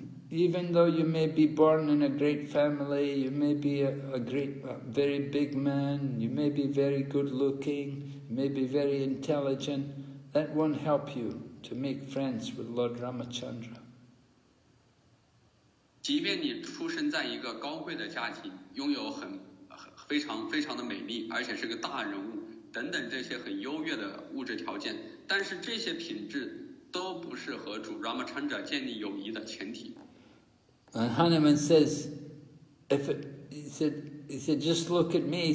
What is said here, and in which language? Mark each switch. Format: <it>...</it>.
<en>Even though you may be born in a great family, you may be a very big man, you may be very good looking, you may be very intelligent, that won't help you to make friends with Lord Ramachandra.</en> <zh>即便你出生在一个高贵的家庭，拥有很非常非常的美丽，而且是个大人物等等这些很优越的物质条件，但是这些品质都不是和主 Ramachandra 建立友谊的前提。</zh> <en>And Hanuman says, he said, just look at me.</en>